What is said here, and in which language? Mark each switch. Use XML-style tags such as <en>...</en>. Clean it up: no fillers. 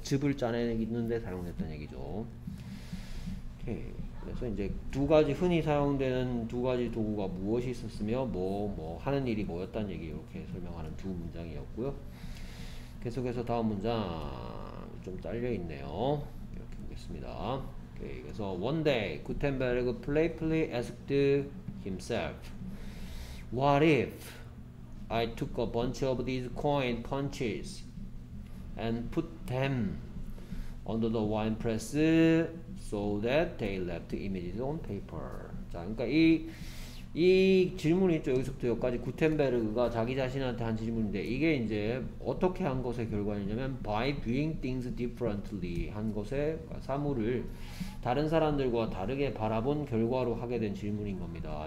<ko>즙을 짜내는 데 사용됐다는 얘기죠. 오케이. 그래서 이제 두 가지 흔히 사용되는 두 가지 도구가 무엇이 있었으며 뭐 하는 일이 뭐였다는 얘기 이렇게 설명하는 두 문장이었고요. 계속해서 다음 문장 좀 잘려 있네요. 이렇게 보겠습니다. 오케이.</ko> <en>그래서 one day Gutenberg playfully asked himself, what if I took a bunch of these coin punches and put them under the wine press so that they left images on paper?</en> <ko>자, 그러니까 이 질문이 있죠. 여기서부터 여기까지 구텐베르그가 자기 자신한테 한 질문인데 이게 이제 어떻게 한 것의 결과이냐면</ko> <en>by viewing things differently</en> <ko>한 것의 그러니까 사물을 다른 사람들과 다르게 바라본 결과로 하게 된 질문인 겁니다.</ko>